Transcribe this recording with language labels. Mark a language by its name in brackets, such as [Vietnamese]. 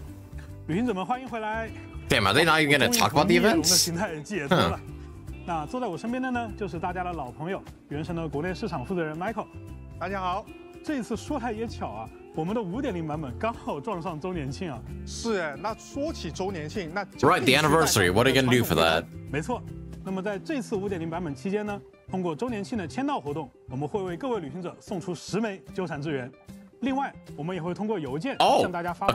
[Chinese] 原神5.0版本也即将上线，马上就给旅行者们端上来了。到时候我们大家一起去纳塔去体验这些新鲜的玩法吧。期待。旅行者们欢迎回来。 [English] Damn, are they not even gonna talk about the events? [Chinese] 那坐在我身边的呢，就是大家的老朋友，原神的国内市场负责人 Michael。大家好。这一次说来也巧啊，我们的 5.0 版本刚好撞上周年庆啊。是哎，那说起周年庆，那就必须办。 [English] Right, the anniversary. What are you gonna do for that? [Chinese] 没错，那么在这次 5.0 版本期间呢，通过周年庆的签到活动，我们会为各位旅行者送出10枚纠缠之源。另外，我们也会通过邮件向大家发放。